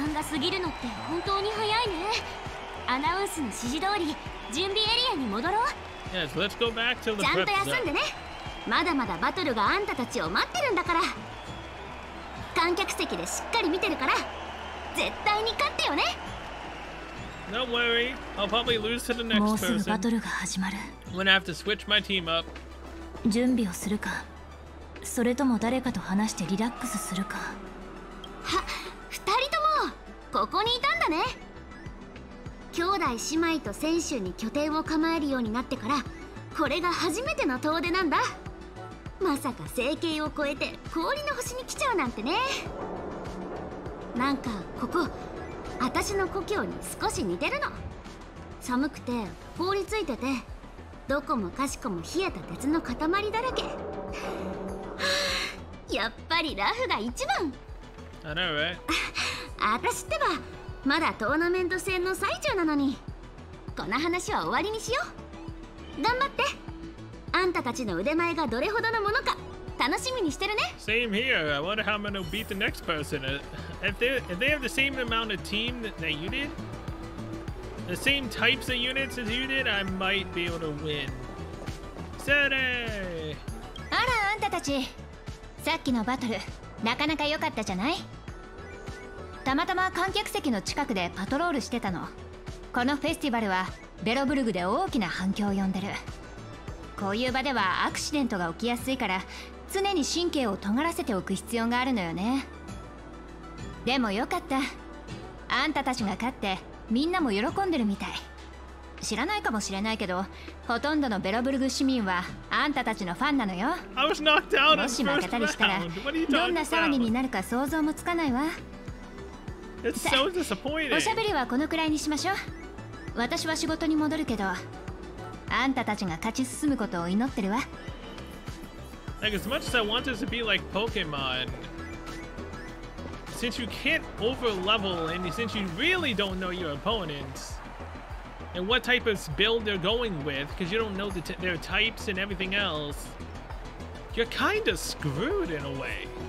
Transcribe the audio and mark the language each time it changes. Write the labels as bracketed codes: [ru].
[ja] 過ぎるのって本当に早いね。アナウンスの指示通り準備エリアに戻ろう。 [en] Yes, let's go back to the prep. [ja] ちゃんと休んでね。まだまだバトルがあんたたちを待ってるんだから。観客席でしっかり見てるから、絶対に勝ってよね。 [en] Don't worry, I'll probably lose to the next person. [ja] もうすぐバトルが始まる。 [en] I'm gonna have to switch my team up. [ja] 準備をするか、それとも誰かと話してリラックスするか。は、二人ともここにいたんだね。兄弟姉妹と選手に拠点を構えるようになってから、これが初めての遠出なんだ。まさか星系を越えて氷の星に来ちゃうなんてね。なんかここ私の故郷に少し似てるの。寒くて氷ついてて、どこもかしこも冷えた鉄の塊だらけ。やっぱりラフが一番。 [en] I know, right? [ja] 私ってばまだトーナメント戦の最中なのに。この話は終わりにしよう。頑張って、あんたたちの腕前がどれほどのものか楽しみにしてるね。 [en] Same here. I wonder how I'm gonna beat the next person. If they have the same amount of team that you did, the same types of units as you did, I might be able to win. Sere! [ja] あら、あんたたち、さっきのバトルなかなか良かったじゃない。たまたま観客席の近くでパトロールしてたの。このフェスティバルはベロブルグで大きな反響を呼んでる。こういう場ではアクシデントが起きやすいから、常に神経を尖らせておく必要があるのよね。でもよかった、あんたたちが勝ってみんなも喜んでるみたい。知らないかもしれないけど、ほとんどのベロブルグ市民はあんたたちのファンなのよ。もし負けたりしたらどんな騒ぎになるか想像もつかないわ。おしゃべりはこのくらいにしましょう。私は仕事に戻るけど、あんたたちが勝ち進むことを祈ってるわ。 [en] Like, as much as I want this to be like Pokemon, since you can't overlevel and since you really don't know your opponents and what type of build they're going with, because you don't know their types and everything else, you're kind of screwed in a way.